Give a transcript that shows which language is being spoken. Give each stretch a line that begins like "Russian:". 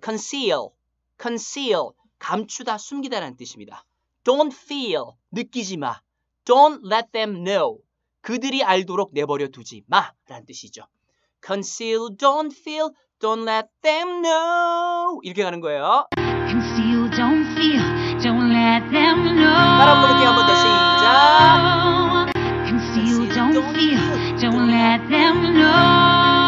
English: Conceal, conceal,
Korean: 감추다, 숨기다라는 뜻입니다.
English: Don't feel,
Korean: 느끼지 마.
English: Don't let them know,
Korean: 그들이 알도록 내버려 두지 마라는 뜻이죠.
English: Conceal, don't feel. Don't let them know.
Korean: 이렇게 가는 거예요.
English: Conceal, don't feel, don't let them know.
Korean: 따라 부를게요. 한번 더 시작.
English: Conceal, don't feel, don't let them know.